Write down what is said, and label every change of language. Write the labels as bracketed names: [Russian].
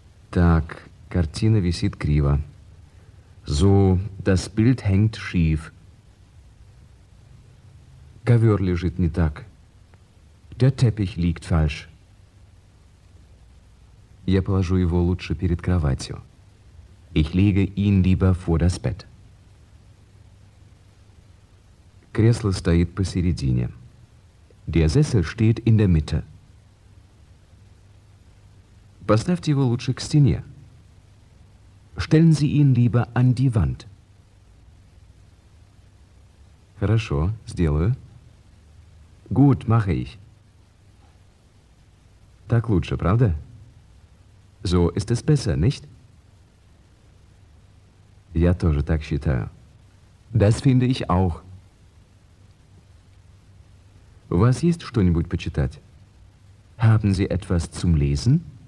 [Russian] Так, картина висит криво. [German] So, das Bild hängt schief. [Russian] Ковер лежит не так. [German] Der Teppich liegt falsch. [Russian] Я положу его лучше перед кроватью. [German] Ich lege ihn lieber vor das Bett. [Russian] Кресло стоит посередине. [German] Der Sessel steht in der Mitte. [Russian] Поставьте его лучше к стене. [German] Stellen Sie ihn lieber an die Wand. [Russian] Хорошо, сделаю. [German] Gut, mache ich. [Russian] Так лучше, правда? [German] So ist es besser, nicht? [Russian] Я тоже так считаю. [German] Das finde ich auch. [Russian] У вас есть что-нибудь почитать? [German] Haben Sie etwas zum Lesen?